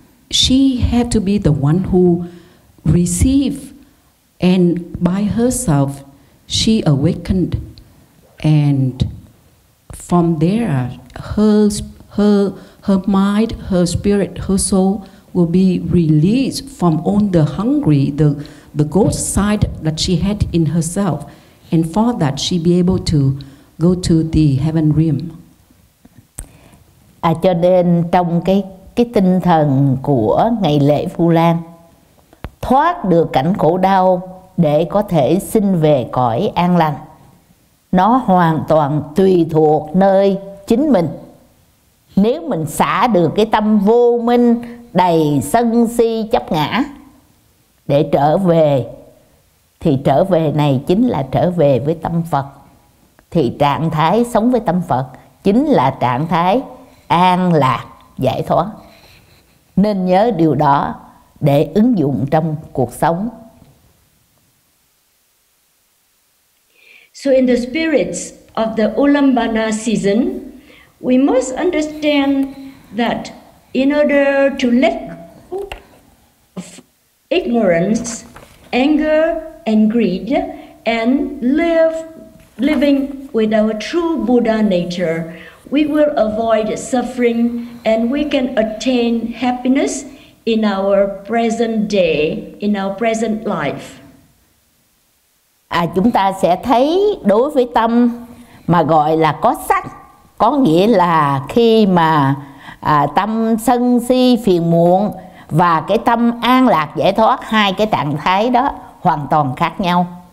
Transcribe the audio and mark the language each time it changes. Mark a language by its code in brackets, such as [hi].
[en] She had to be the one who received, and by herself she awakened, and from there her mind, her spirit, her soul will be released from all the hungry, the ghost side that she had in herself, and for that she be able to go to the heaven realm. [vi] Cho nên trong cái tinh thần của ngày lễ Vu Lan, thoát được cảnh khổ đau để có thể sinh về cõi an lành, nó hoàn toàn tùy thuộc nơi chính mình. Nếu mình xả được cái tâm vô minh đầy sân si chấp ngã để trở về, thì trở về này chính là trở về với tâm Phật. Thì trạng thái sống với tâm Phật chính là trạng thái an lạc giải thoát. Nên nhớ điều đó để ứng dụng trong cuộc sống. [en] So in the spirits of the Ulambana season, we must understand that in order to let go of ignorance, anger, and greed, and living with our true Buddha nature, we will avoid suffering and we can attain happiness in our present day, in our present life. [vi] Chúng ta sẽ thấy đối với tâm mà gọi là có sắc, có nghĩa là khi mà tâm sân si phiền muộn và cái tâm an lạc giải thoát, hai cái trạng thái đó hoàn toàn khác nhau.